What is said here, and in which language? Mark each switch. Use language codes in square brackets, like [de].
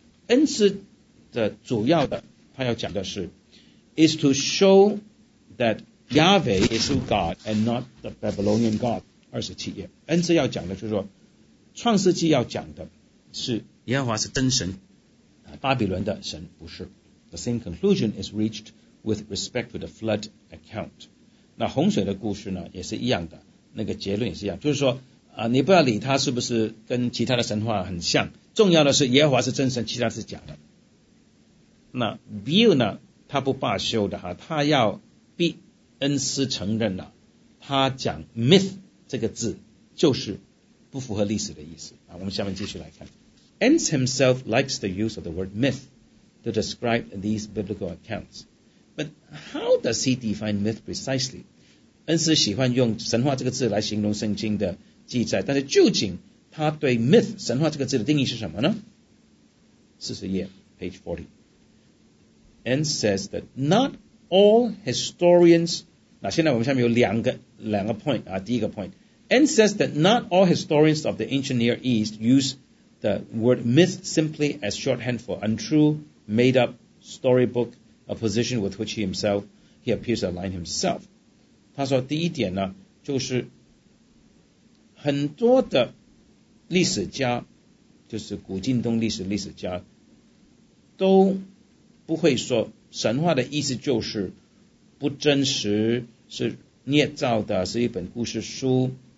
[zh] 恩赐的主要的他要讲的是 [en] is to show that Yahweh is a God and not the Babylonian God. [zh] 27页恩赐要讲的就是说创世纪要讲的是耶和华是真神，巴比伦的神不是。 [en] The same conclusion is reached with respect to the flood account. [zh] 那洪水的故事呢也是一样的，那个结论也是一样，就是说你不要理他是不是跟其他的神话很像，重要的是耶和华是真神，其他是假的。那 Bill 呢他不罢休的哈，他要逼恩斯承认了他讲 myth 这个字就是不符合历史的意思。我们下面继续来看。 [en] Ence himself likes the use of the word myth to describe these biblical accounts. But how does he define myth precisely? [zh] Ence 喜欢用神话这个字来形容圣经的记载，但是究竟他对 myth 神话这个字的定义是什么呢？ [en] 40页 page 40 Ence says that not all historians [zh] 那现在我们下面有两个 point、第一个 point [en] Ence says that not all historians of the ancient Near East useThe word myth simply as shorthand for untrue, made-up storybook, a position with which he appears to align himself. [zh] 他说第一点呢，就是很多的历史家，就是古近东历史家，都不会说神话的意思就是不真实，是捏造的，是一本故事书。